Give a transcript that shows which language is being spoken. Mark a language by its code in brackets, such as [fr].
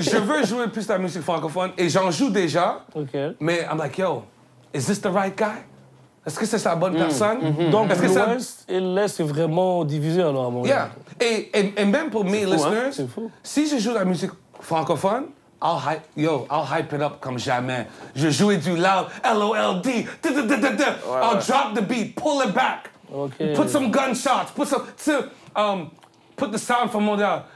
[fr] Je veux jouer plus de la musique francophone et j'en joue déjà. Mais [en] I'm like, yo, is this the right guy? [fr] Est-ce que c'est la bonne personne? Donc, l'Ouest et l'Est est vraiment divisé alors à mon avis. Et même pour mes listeners, si je joue la musique francophone, [en] I'll hype it up [fr] comme jamais. Je joue du loud, [en] LOLD, I'll drop the beat, pull it back, put some gunshots, put the sound from Montréal.